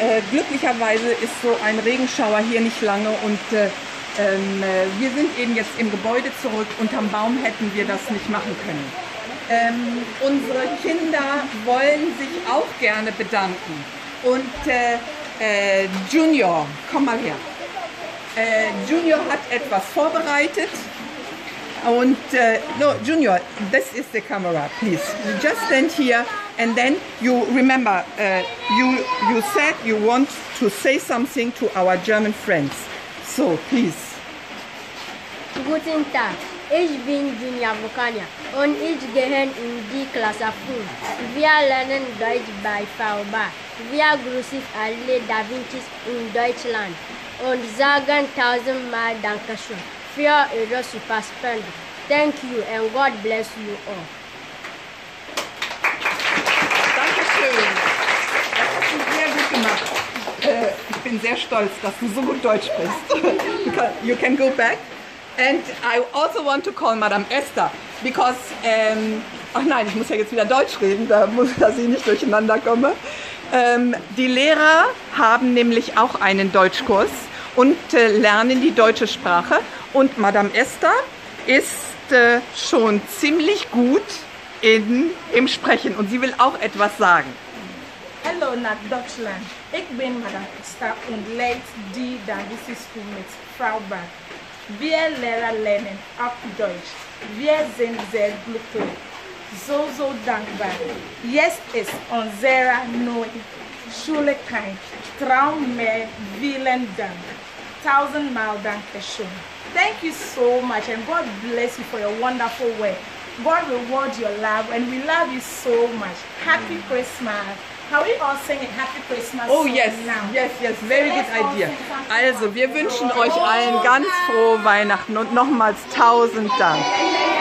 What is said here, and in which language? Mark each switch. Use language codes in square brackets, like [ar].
[de] Glücklicherweise ist so ein Regenschauer hier nicht lange und wir sind eben jetzt im Gebäude zurück. Unterm Baum hätten wir das nicht machen können. Unsere Kinder wollen sich auch gerne bedanken. Und Junior, komm mal her. Junior hat etwas vorbereitet. [en] Und no, Junior, this is the camera, please. You just stand here and then you remember, you said you want to say something to our German friends. So, please. [de] Guten Tag, ich bin Junior Vukania und ich gehe in die Klasse 5. Wir lernen Deutsch bei VB. Wir grüßen alle Da Vinci's in Deutschland und sagen tausendmal Dankeschön für eure super Spende. [en] Thank you and God bless you all. [de] Dankeschön. Das hast du sehr gut gemacht. Ich bin sehr stolz, dass du so gut Deutsch bist. [en] You can go back. And I also want to call Madame Esther, because, [de] ach nein, ich muss ja jetzt wieder Deutsch reden, dass ich nicht durcheinander komme. Die Lehrer haben nämlich auch einen Deutschkurs und lernen die deutsche Sprache. Und Madame Esther ist schon ziemlich gut im Sprechen und sie will auch etwas sagen. Hallo nach Deutschland. Ich bin Madame Esther und leite die Davis School mit Frau Bach. Wir Lehrer lernen auch Deutsch. Wir sind sehr glücklich. So, so dankbar. Jetzt ist unsere neue Schule kein Traum mehr. Vielen Dank. Tausendmal Dankeschön. [en] Thank you so much and God bless you for your wonderful work. God reward your love and we love you so much. Happy Christmas. Can we all sing a Happy Christmas song? Oh yes, yes, yes, very good idea. [de] Also, wir wünschen euch allen ganz frohe Weihnachten und nochmals tausend Dank.